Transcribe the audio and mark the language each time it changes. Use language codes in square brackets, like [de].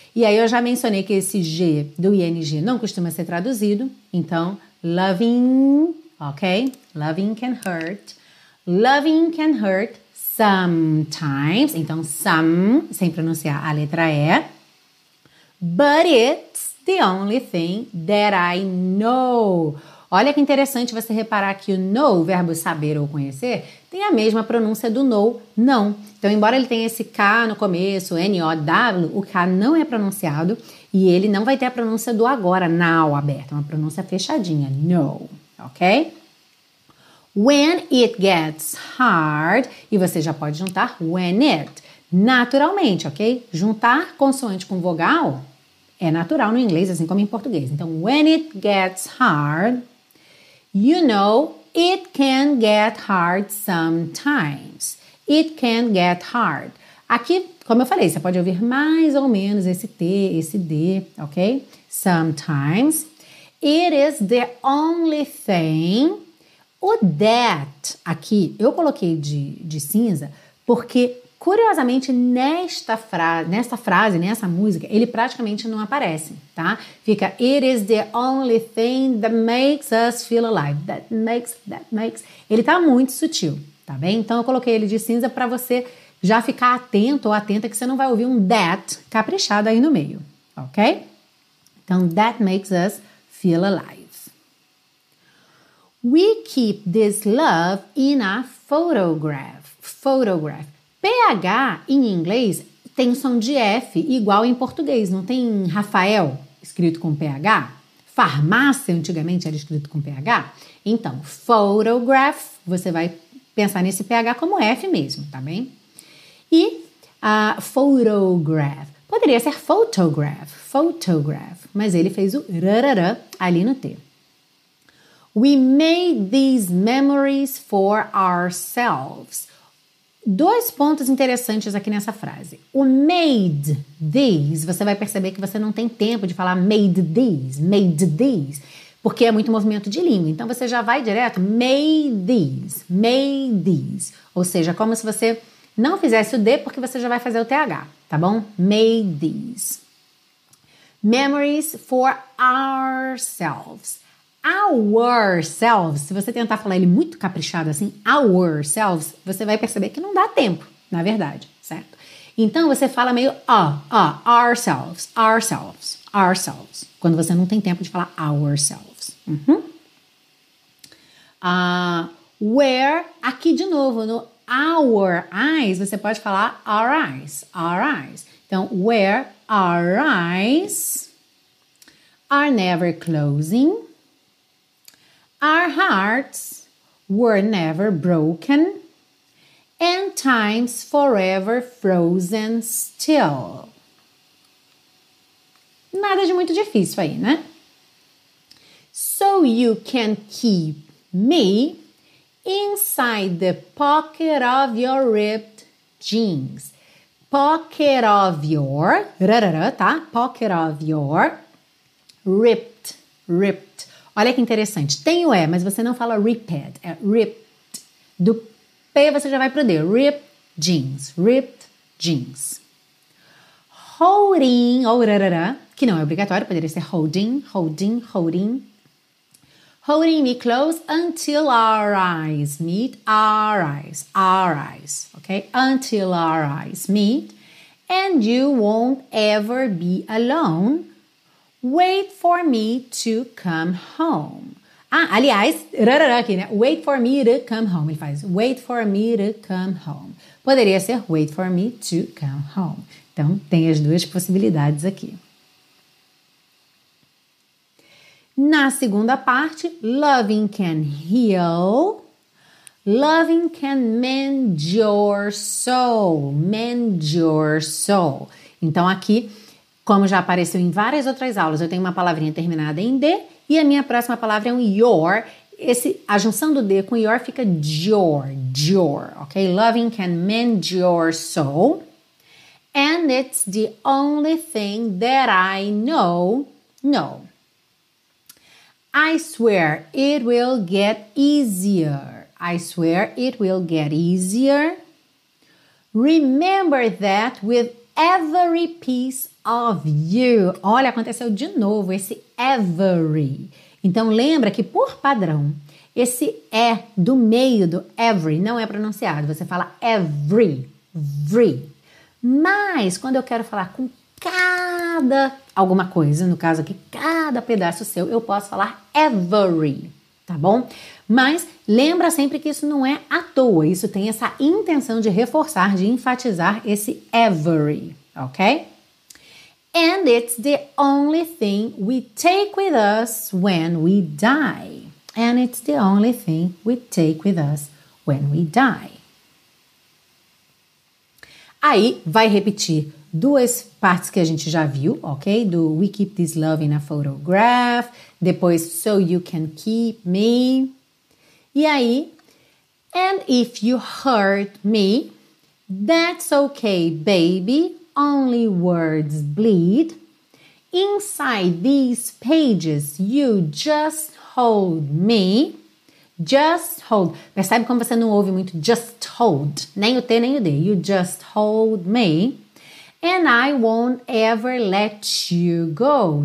[pt] E aí eu já mencionei que esse G do ING não costuma ser traduzido. [en] Então, loving, ok? Loving can hurt. Loving can hurt. Sometimes, [pt] então some, sem pronunciar a letra E. [en] But it's the only thing that I know. [pt] Olha que interessante você reparar que o know, o verbo saber ou conhecer, tem a mesma pronúncia do know, não. Então, embora ele tenha esse K no começo, N-O-W, o K não é pronunciado e ele não vai ter a pronúncia do agora, now, aberto. É uma pronúncia fechadinha, know, ok? [en] When it gets hard, [pt] e você já pode juntar [en] when it, [pt] naturalmente, [en] ok? [pt] Juntar consoante com vogal é natural no inglês, assim como em português. [en] Então, when it gets hard, you know it can get hard sometimes. It can get hard. [pt] Aqui, como eu falei, você pode ouvir mais ou menos esse T, esse D, ok? [en] Sometimes. It is the only thing. [pt] O that aqui, eu coloquei de cinza, porque, curiosamente, nesta frase, nessa música, ele praticamente não aparece, tá? [en] Fica, it is the only thing that makes us feel alive. That makes... [pt] Ele tá muito sutil, tá bem? Então, eu coloquei ele de cinza pra você já ficar atento ou atenta que você não vai ouvir um that caprichado aí no meio, ok? [en] Então, that makes us feel alive. We keep this love in a photograph. Photograph. [pt] PH em inglês tem som de F igual em português. Não tem Rafael escrito com PH? Farmácia antigamente era escrito com PH? Então, photograph, você vai pensar nesse PH como F mesmo, tá bem? E a photograph. Poderia ser photograph. Photograph. Mas ele fez o rarará ali no T. [en] We made these memories for ourselves. [pt] Dois pontos interessantes aqui nessa frase. O made these, você vai perceber que você não tem tempo de falar made these, porque é muito movimento de língua. Então, você já vai direto, made these. Ou seja, como se você não fizesse o D, porque você já vai fazer o TH, tá bom? [en] Made these. Memories for ourselves. [pt] Ourselves, se você tentar falar ele muito caprichado assim, ourselves, você vai perceber que não dá tempo, na verdade, certo? Então, você fala meio ourselves, ourselves, ourselves, quando você não tem tempo de falar ourselves. Uhum. [en] Where, [pt] aqui de novo, no [en] our eyes, [pt] você pode falar [en] our eyes, então, where our eyes are never closing. Our hearts were never broken, and time's forever frozen still. [pt] Nada de muito difícil aí, né? [en] So you can keep me inside the pocket of your ripped jeans. Pocket of your, tá? Pocket of your ripped. [pt] Olha que interessante. Tem o E, mas você não fala ripped. É ripped. Do P você já vai pro D. Ripped jeans. [en] Ripped jeans. Holding. [pt] Ou rarará. Que não é obrigatório. Poderia ser holding. Holding. Holding. [en] Holding me close until our eyes meet. Our eyes. Our eyes. Ok? Until our eyes meet. And you won't ever be alone. Wait for me to come home. [pt] Ah, aliás, rarará aqui, né? [en] Wait for me to come home. [pt] Ele faz, [en] wait for me to come home. [pt] Poderia ser, [en] wait for me to come home. [pt] Então, tem as duas possibilidades aqui. Na segunda parte, [en] loving can heal. Loving can mend your soul. Mend your soul. [pt] Então, aqui, como já apareceu em várias outras aulas, eu tenho uma palavrinha terminada em D e a minha próxima palavra é um your. Esse, a junção do D com your fica your, your, ok? [en] Loving can mend your soul. And it's the only thing that I know, know. I swear it will get easier. I swear it will get easier. Remember that with every piece of you. [pt] Olha, aconteceu de novo esse every. Então, lembra que por padrão, esse E do meio do every não é pronunciado. Você fala every, every. Mas, quando eu quero falar com cada alguma coisa, no caso aqui, cada pedaço seu, eu posso falar every, tá bom? Mas, lembra sempre que isso não é à toa. Isso tem essa intenção de reforçar, de enfatizar esse every, ok? [en] And it's the only thing we take with us when we die. And it's the only thing we take with us when we die. [pt] Aí, vai repetir duas partes que a gente já viu, ok? [en] Do we keep this love in a photograph. [pt] Depois, [en] so you can keep me. [pt] E aí, [en] and if you hurt me, that's okay, baby. Only words bleed. Inside these pages, you just hold me. Just hold. [pt] Percebe como você não ouve muito just hold. Nem o T, nem o D. [en] You just hold me. And I won't ever let you go.